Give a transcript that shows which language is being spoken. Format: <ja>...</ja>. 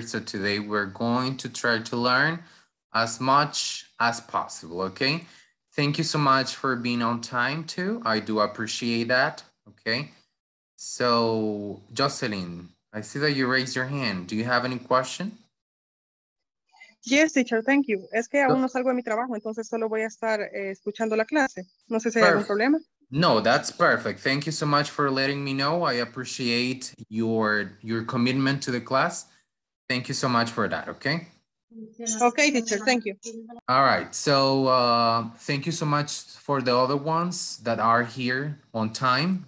<en>So today we're going to try to learn as much as possible, okay? Thank you so much for being on time too. I do appreciate that, okay? So, Jocelyn, I see that you raised your hand. Do you have any question? Yes, teacher, thank you.</en> <es>Es que aún no salgo de mi trabajo, entonces solo voy a estar escuchando la clase. No sé si hay algún problema.</es> <en>No, that's perfect. Thank you so much for letting me know. I appreciate your commitment to the class. Thank you so much for that, okay? Okay, teacher, thank you. All right, so thank you so much for the other ones that are here on time.</en>